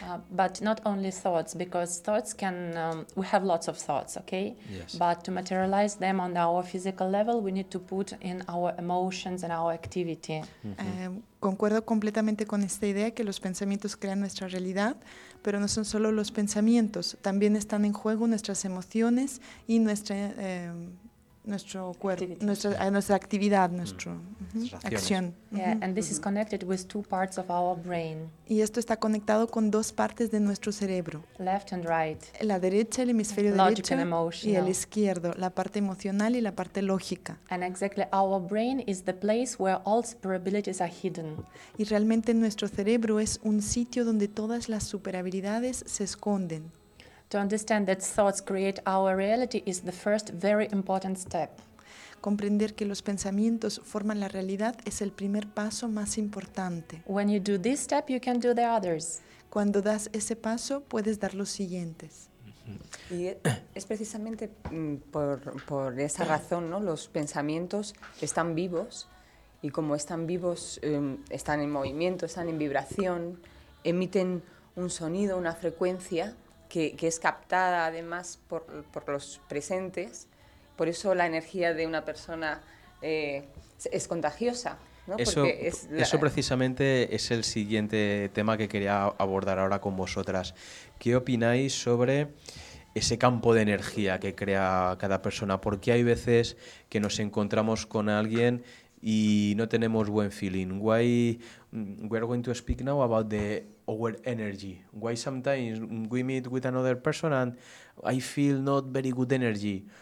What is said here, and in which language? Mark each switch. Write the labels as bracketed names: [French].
[English] But not only thoughts, because thoughts can, we have lots of thoughts, okay? Yes. But to materialize them on our physical level, we need to put in our emotions and our activity. Mm-hmm. [Spanish] Concuerdo completamente con esta idea que los pensamientos crean nuestra realidad, pero no son solo los pensamientos, también están en juego nuestras emociones y nuestra, nuestro cuerpo, nuestra actividad, nuestra acción. [English] Yeah, and this is connected with two parts of our brain. [Spanish] Y esto está conectado con dos partes de nuestro cerebro. [English] Left and right. [Spanish] La derecha, el hemisferio derecho, y el izquierdo, la parte emocional y la parte lógica. [English] And exactly, our brain is the place where all superabilities are hidden. [Spanish] Y realmente nuestro cerebro es un sitio donde todas las superhabilidades se esconden. [English] To understand that thoughts create our reality is the first very important step. [Spanish] Comprender que los pensamientos forman la realidad es el primer paso más importante. [English] When you do this step, you can do the others. [Spanish] Cuando das ese paso, puedes dar los siguientes. Y es precisamente por esa razón, ¿no? Los pensamientos están vivos y como están vivos, están en movimiento, están en vibración, emiten un sonido, una frecuencia. Que es captada además por los presentes, por eso la energía de una persona es contagiosa, ¿no? Eso, eso precisamente es el siguiente tema que quería abordar ahora con vosotras. ¿Qué opináis sobre ese campo de energía que crea cada persona? Porque hay veces que nos encontramos con alguien y no tenemos buen feeling. [English] Why we're going to speak now about the our energy. Why sometimes we meet with another person and I feel not very good energy.